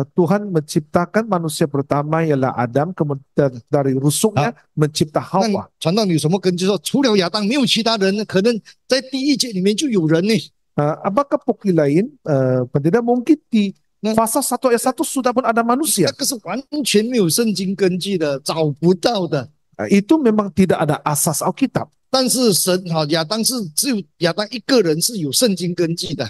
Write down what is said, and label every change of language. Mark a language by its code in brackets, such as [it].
[ms] Tuhan menciptakan manusia pertama ialah Adam, kemudian dari rusuknya mencipta Hawa. [zh] 那传道你有什么根据说除了亚当没有其他人？可能在第一节里面就有人呢？ [ms] Apakah bukti lain? Pendeta mungkin di pasal 1 ayat 1 sudah pun ada manusia. Itu [zh] 完全没有圣经根据的，找不到的。 [ms] Itu memang tidak ada asas Alkitab. [zh] 但是神亚当是只有亚当一个人是有圣经根据的。